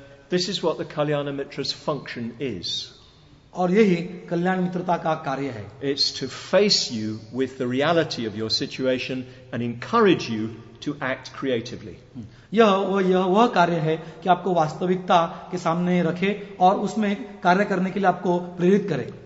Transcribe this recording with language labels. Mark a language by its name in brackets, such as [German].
[English] This is what the Kalyanamitra's function is. [Hindi] और यही कल्याण मित्रता का कार्य है. [English] It's to face you with the reality of your situation and encourage you to act creatively. [Hindi] यह वह कार्य है कि आपको वास्तविकता के सामने रखे और उसमें कार्य करने के लिए आपको प्रेरित करे.